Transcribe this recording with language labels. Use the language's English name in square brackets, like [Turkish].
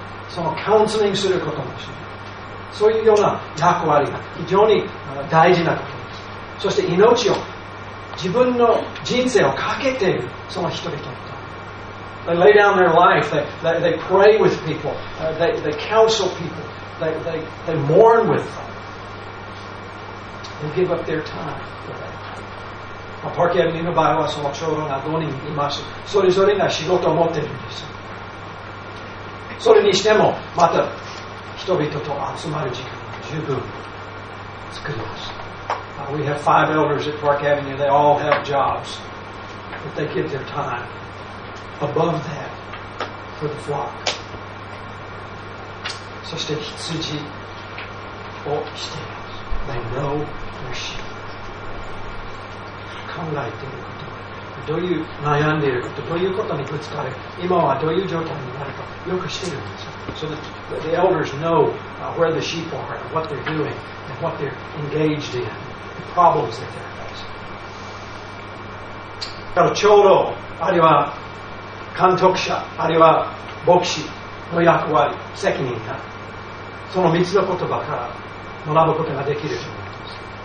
[Japanese] そのカウンセリングすることもしない。そういうような役割が非常に大事なことです。そして命を、自分の人生をかけているその人々と。 [English] They lay down their life, they pray with people, they counsel people, they mourn with them. They give up their time for that. [Japanese] まあ、パーキアミの場合はその長老が5人います。それぞれが仕事を持っているんです。それにしてもまた人々と集まる時間が十分作ります。 [English] We have 5 elders at Park Avenue. They all have jobs, but they give their time above that for the flock. [Japanese] そして羊をしています。 [English] They know their sheep. [Japanese] 考えていること。どういう悩んでいるかと、どういうことにぶつかる、今はどういう状態になるか、よく知っているんですよ。 [English] So the elders know where the sheep are, and what they're doing, and what they're engaged in, the problems that they're facing. [Japanese] だから長老、あるいは監督者、あるいは牧師の役割、責任が、その3つの言葉から学ぶことができると思います。